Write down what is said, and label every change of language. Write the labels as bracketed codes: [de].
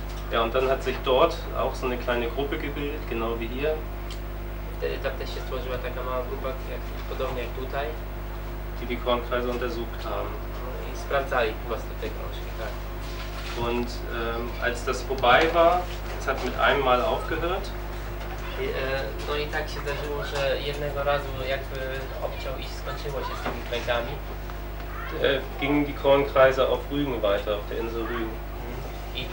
[de] Ja, und dann hat sich dort auch so eine kleine Gruppe gebildet, genau wie hier. [pl] Wtedy tam też się stworzyła taka mała grupa, podobnie jak tutaj. [de] Die Kornkreise untersucht haben. [pl] I sprawdzali po prostu te krążki, tak. [de] Und als das vorbei war, es hat mit einem Mal aufgehört. [pl] No i tak się zdarzyło, że jednego razu jakby obciął i skończyło się z tymi kręgami. [de] Gingen die Kornkreise auf Rügen weiter, auf der Insel Rügen.